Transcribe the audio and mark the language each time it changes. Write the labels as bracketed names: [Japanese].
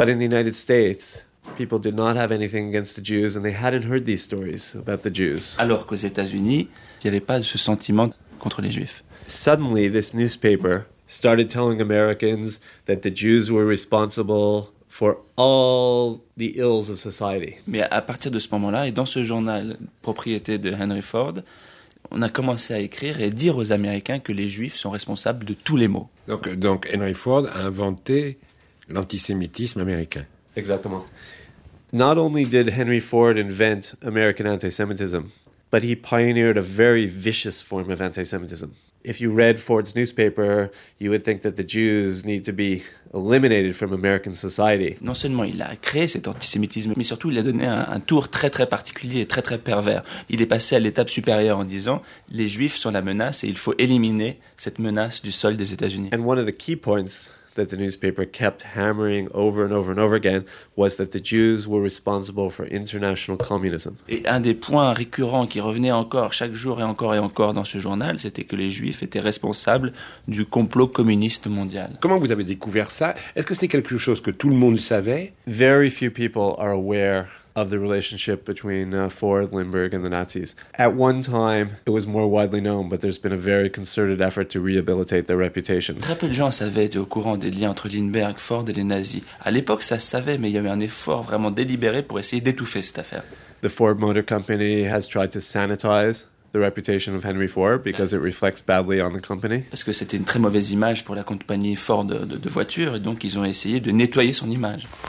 [English] But in the United States, people did not have anything against the Jews and they hadn't heard these stories about the Jews. [French] Alors qu'aux États-Unis, il n'y avait pas ce sentiment contre les Juifs. [English] Suddenly, this newspaper started telling Americans that the Jews were responsible for all the ills of society. [French] Mais à partir de ce moment-là, et dans ce journal propriété de Henry Ford, on a commencé à écrire et dire aux Américains que les Juifs sont responsables de tous les maux. Donc Henry Ford a inventé l'antisémitisme américain. Exactement. [English] Not only did Henry Ford invent American anti-Semitism, but he pioneered a very vicious form of anti-Semitism. If you read Ford's newspaper, you would think that the Jews need to be eliminated from American society. [French] Non seulement il a créé cet antisémitisme, mais surtout il a donné un tour très très particulier et très très pervers. Il est passé à l'étape supérieure en disant les Juifs sont la menace et il faut éliminer cette menace du sol des États-Unis. [English] And one of the key points that the newspaper kept hammering over and over and over again was that the Jews were responsible for international communism. [French] Et un des points récurrents qui revenait encore chaque jour et encore dans ce journal, c'était que les Juifs étaient responsables du complot communiste mondial. Comment vous avez découvert ça? Est-ce que c'est quelque chose que tout le monde savait? [English] Very few people are aware of the relationship between Ford, Lindbergh and the Nazis. At one time, it was more widely known, but there's been a very concerted effort to rehabilitate their reputations. [French] Très peu de gens savaient, étaient au courant des liens entre Lindbergh, Ford et les nazis. À l'époque, ça se savait, mais il y avait un effort vraiment délibéré pour essayer d'étouffer cette affaire. [English] The Ford Motor Company has tried to sanitize the reputation of Henry Ford because it reflects badly on the company. [French] Parce que c'était une très mauvaise image pour la compagnie Ford de voitures, et donc ils ont essayé de nettoyer son image.